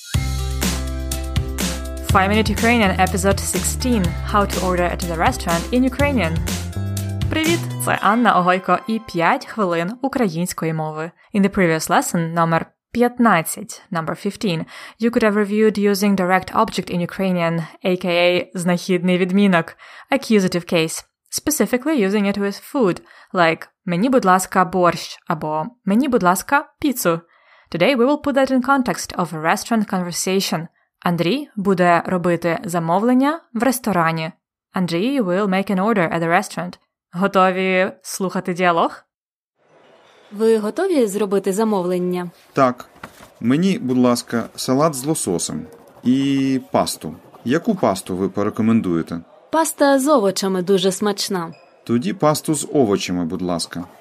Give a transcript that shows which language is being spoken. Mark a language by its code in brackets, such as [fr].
[en] 5 Minute Ukrainian, episode 16, How to order at the restaurant in Ukrainian. [uk] Привіт, це Анна Огойко і 5 хвилин української мови. [en] In the previous lesson, number 15, number 15, you could have reviewed using direct object in Ukrainian, aka [uk] знахідний відмінок, [en] accusative case, specifically using it with food, like [uk] «Мені, будь ласка, борщ» або «Мені, будь ласка, піцу». [en] Today we will put that in context of a restaurant conversation. [uk] Андрій буде робити замовлення в ресторані. [en] Андрій will make an order at the restaurant. [uk] Готові слухати діалог? Ви готові зробити замовлення? Так. Мені, будь ласка, салат з лососем. І пасту. Яку пасту ви порекомендуєте? Паста з овочами дуже смачна. Тоді пасту з овочами, будь ласка.